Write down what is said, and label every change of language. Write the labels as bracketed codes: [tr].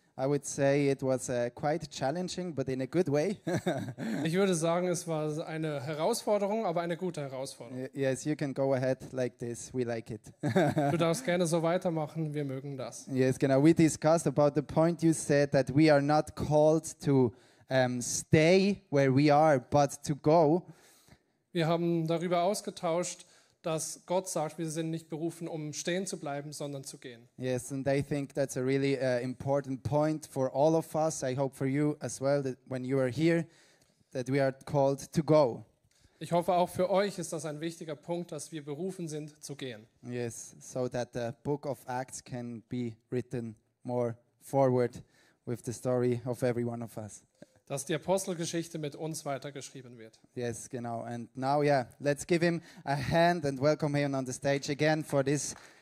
[en] I would say it was quite challenging, but in a good way. [de] Ich würde sagen, es war eine Herausforderung, aber eine gute Herausforderung. [en] Yes, you can go ahead like this. We like it. [de] Du darfst gerne so weitermachen. Wir mögen das. [en] Yes, [de] genau. [en] We discussed about the point you said that we are not called to stay where we are, but to go. [de] Wir haben darüber ausgetauscht, dass Gott sagt, wir sind nicht berufen, um stehen zu bleiben, sondern zu gehen. [en] Yes, and I think that's a really important point for all of us. I hope for you as well, that when you are here, that we are called to go. [de] Ich hoffe auch für euch ist das ein wichtiger Punkt, dass wir berufen sind, zu gehen. [en] Yes, so that the book of Acts can be written more forward with the story of every one of us. [de] Dass die Apostelgeschichte mit uns weitergeschrieben wird. [en] Yes, [de] genau. [en] And now, yeah, let's give him a hand and welcome him on the stage again for this